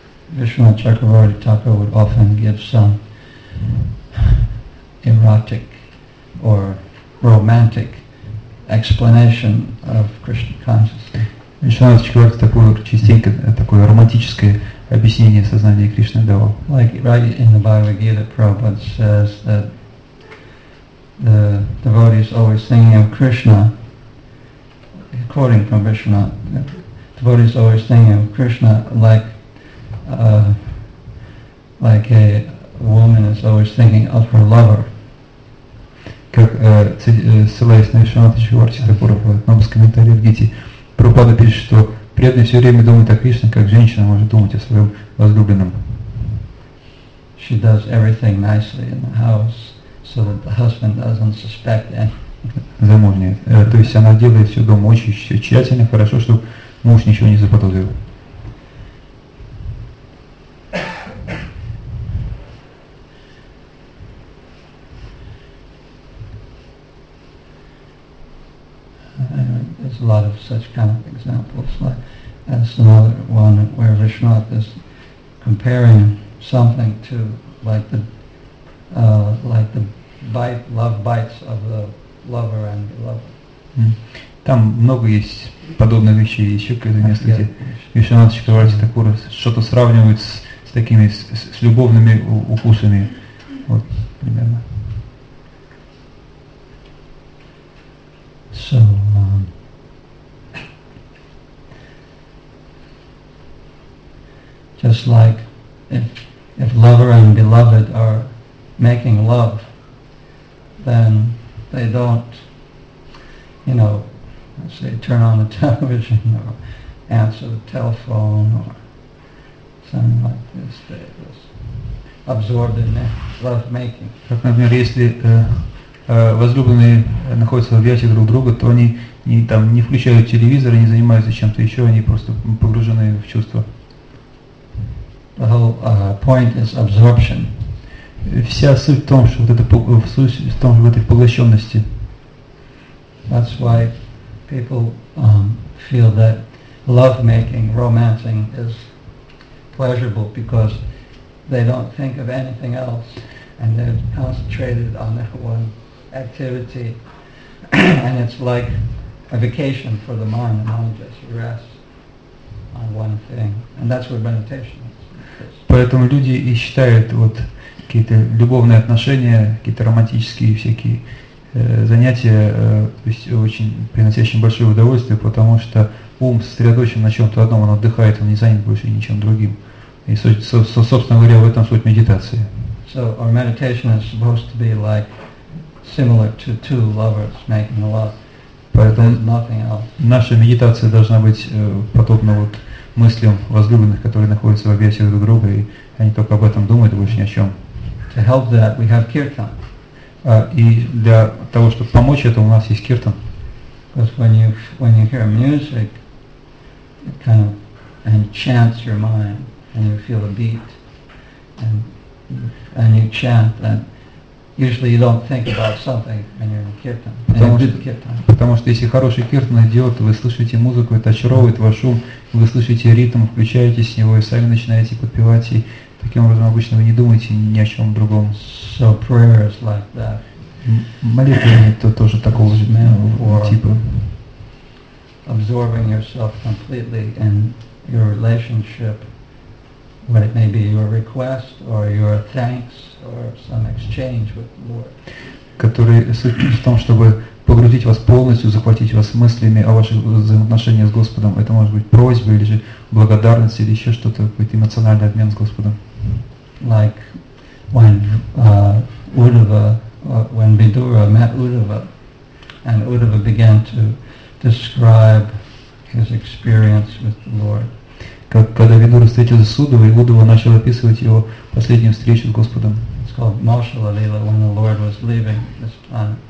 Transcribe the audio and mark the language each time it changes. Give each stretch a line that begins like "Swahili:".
English: Вишна Чакраварти Тхакур would often give some erotic or romantic explanation of Krishna consciousness.
Russian: Вишна Чакраварти такое частенько такое романтическое объяснение сознания Кришны давал.
English: Like right in the Bhagavad Gita, Prabhupada says that the devotee is always thinking of Krishna. Quoting from Vishnu, the devotee is always thinking of Krishna like a woman is always thinking of her lover.
Russian: Как ссылаясь на Вишвана Чакраварти Тхакур в одном из комментариев в Гите, Прабхупада пишет, что преданный все время думает о Кришне, как женщина может думать о своем возлюбленном.
English: She does everything nicely in the house, so that the husband doesn't suspect anything.
Russian: Замужняя. То есть она делает все дома очень тщательно, хорошо, чтобы муж ничего не заподозрил.
English: There's a lot of such kind of examples. Like, that's another one where Vishnath is comparing something to like the bite, love bites of the lover and the lover.
Russian: Там много есть подобных вещей. Еще когда несколько Вишнат Чакраварти Тхакур что-то сравнивает с такими с любовными укусами. Вот примерно.
English: So just like if lover and beloved are making love, then they don't, you know, let's say, turn on the television or answer the telephone or something like this, that is absorbed in that love making.
Russian: Как, например, если возлюбленные находятся в объятиях друг друга, то они не там не включают телевизор и не занимаются чем-то еще, они просто погружены в чувства.
English: The whole point is absorption.
Russian: Вся суть в том, что вот это в том, что в этой поглощенности.
English: That's why people feel that love making, romancing is pleasurable because they don't think of anything else and they're concentrated on that one activity and it's like a vacation for the mind and only just rest on one thing. And that's what meditation is.
Russian: Поэтому люди и считают вот какие-то любовные отношения, какие-то романтические всякие занятия, то есть очень приносящим большое удовольствие, потому что ум сосредоточен на чем-то одном, он отдыхает, он не занят больше ничем другим. И, собственно говоря, в этом суть медитации.
English: So our meditation is supposed to be like similar to two lovers making love.
Russian: Поэтому
English: nothing else.
Russian: Наша медитация должна быть подобна вот мыслям возлюбленных, которые находятся в объятиях друг друга, и они только об этом думают, больше ни о чем.
English: To help that, we have kirtan.
Russian: И для того, чтобы помочь этому, у нас есть киртан.
English: Because when you hear music, it kind of enchants your mind, and you feel a beat, and you chant, and usually you don't think about something when you're in kirtan.
Russian: Потому что если хороший киртан идет, вы слышите музыку, это очаровывает ваш ум, вы слышите ритм, включаетесь с него и сами начинаете подпевать и таким образом обычно вы не думаете ни о чем другом.
English: So prayer is like that.
Russian: Молитвы это тоже такого же типа.
English: Absorbing yourself completely in your relationship, what it may be your request or your thanks or some exchange with the Lord.
Russian: Который суть в том, чтобы погрузить вас полностью, захватить вас мыслями о ваших взаимоотношениях с Господом. Это может быть просьба или же благодарность или еще что-то, какой-то эмоциональный обмен с Господом.
English: Like when Uddhava, when Vidura met Uddhava, and Uddhava began to describe his experience with the Lord.
Russian: Когда Видура встретился с Уддхавой, Уддхава начал описывать его последнюю встречу с Господом.
English: It's called Moshala Lila, when the Lord was leaving this planet.